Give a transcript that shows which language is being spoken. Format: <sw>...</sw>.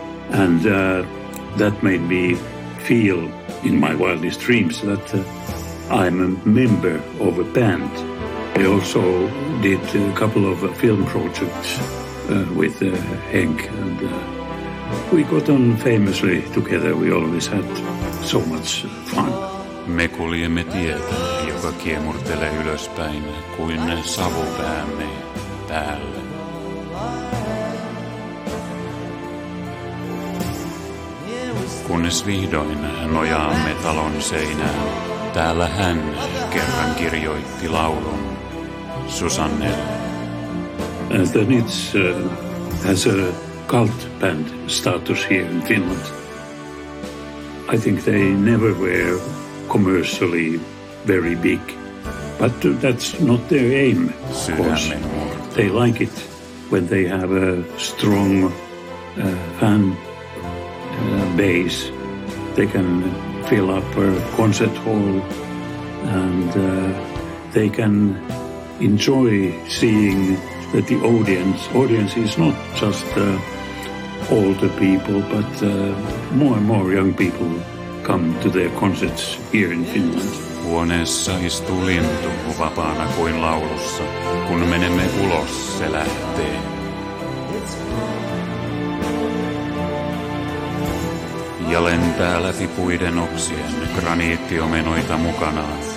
<en>And that made me feel in my wildest dreams that I'm a member of a band. I also did a couple of film projects with Henk, and we got on famously together. We always had so much fun.</en> <fi>Me kuljemme tietä, joka kiemurtelee ylöspäin kuin savu päämme päälle. Kunnes vihdoin nojaamme talon seinään, täällä hän kerran kirjoitti laulun Susannelle.</fi> <en>The Nietzsche has a cult band status here in Finland. I think they never were commercially very big, but that's not their aim, of course. They like it when they have a strong fan base. They can fill up a concert hall, and they can enjoy seeing that the audience is not just older people, but more and more young people come to their concerts here in Finland.</en> <fi>Huoneessa istuu lintu vapaana kuin laulussa. Kun menemme ulos, se lähtee. Ja lentää läpi puiden oksien graniittiomenoita mukanaan.</fi>